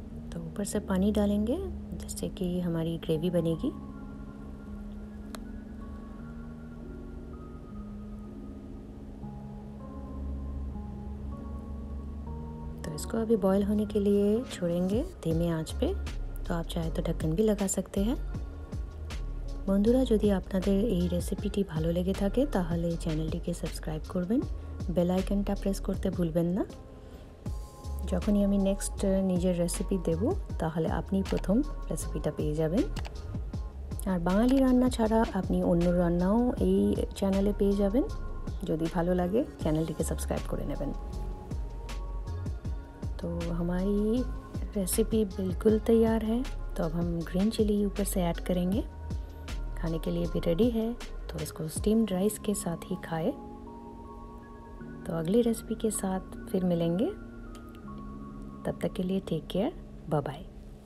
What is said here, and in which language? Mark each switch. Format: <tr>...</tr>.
<hi>तो ऊपर से पानी डालेंगे, जिससे कि हमारी ग्रेवी बनेगी। तो इसको अभी बॉईल होने के लिए छोड़ेंगे धीमे आंच पे। तो आप चाहे तो ढक्कन भी लगा सकते हैं। बंधुरा, यदि</hi> <bn>আপনাদের এই রেসিপিটি ভালো লেগে থাকে তাহলে চ্যানেলটিকে সাবস্ক্রাইব করবেন, বেল আইকনটা প্রেস করতে ভুলবেন না। যখনই আমি নেক্সট নিজের রেসিপি দেব তাহলে আপনি প্রথম রেসিপিটা পেয়ে যাবেন। আর বাঙালি রান্না ছাড়া আপনি অন্য রান্নাও এই চ্যানেলে পেয়ে যাবেন। যদি ভালো লাগে চ্যানেলটিকে সাবস্ক্রাইব করে নেবেন।</bn> <hi>तो हमारी रेसिपी बिल्कुल तैयार है। तो अब हम ग्रीन चिली ऊपर से ऐड करेंगे, खाने के लिए भी रेडी है। तो इसको स्टीम्ड राइस के साथ ही खाए। तो अगली रेसिपी के साथ फिर मिलेंगे, तब तक के लिए टेक केयर, बाय बाय।</hi>